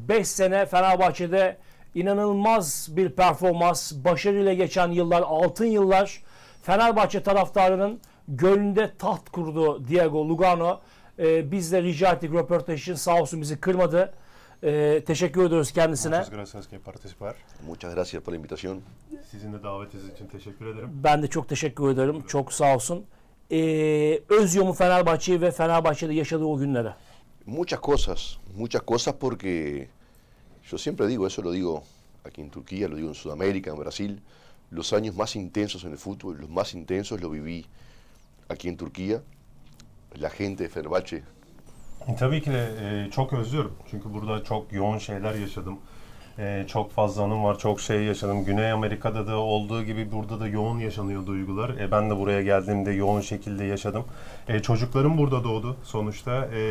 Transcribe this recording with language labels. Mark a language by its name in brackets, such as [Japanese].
[Turkish] 5 sene Fenerbahçe'de inanılmaz bir performans, başarıyla geçen yıllar, altın yıllar Fenerbahçe taraftarının gönlünde taht kurdu Diego Lugano. Biz de rica ettik röportaj için, sağ olsun bizi kırmadı. Teşekkür ediyoruz kendisine. [Spanish] Muchas gracias que participar. Muchas gracias por la invitación. [Turkish] Sizin de davetiniz için teşekkür ederim. Ben de çok teşekkür ederim. Çok sağ olsun. Özlüyor mu Fenerbahçe'yi ve Fenerbahçe'de yaşadığı o günlere? [Spanish] Muchas cosas. Muchas cosas porque yo siempre digo, eso lo digo aquí en Turquía, lo digo en Sudamérica, en Brasil. Los años más intensos en el fútbol, los más intensos lo viví aquí en Turquía. La gente de Fenerbahçe. [Turkish] Tabii ki de çok özlüyorum. Çünkü burada çok yoğun şeyler yaşadım. Çok fazla anım var, çok şey yaşadım. Güney Amerika'da da olduğu gibi burada da yoğun yaşanıyor duygular. Ben de buraya geldiğimde yoğun şekilde yaşadım. Çocuklarım burada doğdu sonuçta.